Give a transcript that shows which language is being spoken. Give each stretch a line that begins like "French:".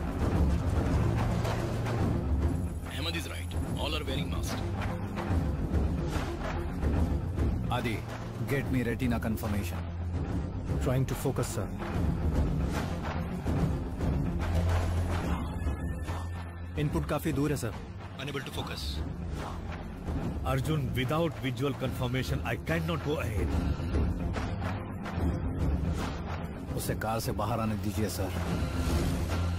English: Ahmad is right, all are wearing mask. Adi get me retina confirmation. Trying to focus, sir.
Hindi: Input काफी दूर है sir.
English: Unable to focus. Arjun, without visual confirmation, I cannot go ahead.
Hindi: उसे car से बाहर आने दीजिए sir.